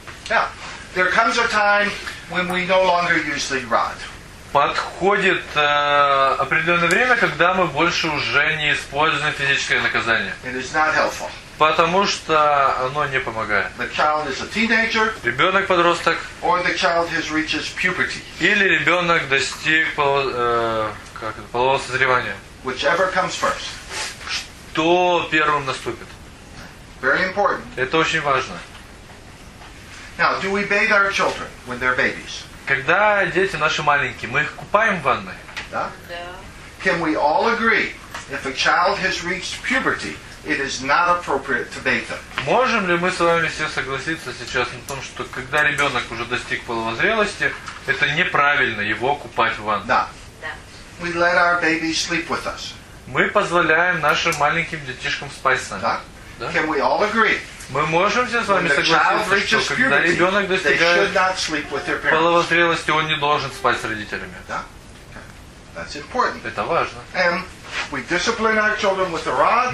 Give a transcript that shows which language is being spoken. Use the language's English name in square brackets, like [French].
[English] Yeah, there comes a time when we no longer use the rod. [Russian] Подходит определенное время, когда мы больше уже не используем физическое наказание. [English] It is not helpful. [Russian] Потому что оно не помогает. [English] The child is a teenager, [Russian] ребенок-подросток. [English] Or the child has reached puberty. [Russian] Или ребенок достиг полового созревания. [English] Whichever comes first. [Russian] Что первым наступит? [English] Very important. [Russian] Это очень важно. [English] Now, do we bathe our children when they're babies? [Russian] Когда дети наши маленькие, мы их купаем в ванной. Да? [English] Can we all agree if a child has reached puberty, it is not appropriate to bathe them. [Russian] Можем ли мы с вами все согласиться сейчас на том, что когда ребенок уже достиг половозрелости, это неправильно его купать в ванной? Да. [English] We let our babies sleep with us. [Russian] Мы позволяем нашим маленьким детишкам спать с нами. Да. Да? [English] Can we all agree? [Russian] Мы можем все с вами согласиться, что когда ребенок достигает половозрелости, он не должен спать с родителями. Да. [English] That's important. [Russian] Это важно. [English] And we discipline our children with a rod.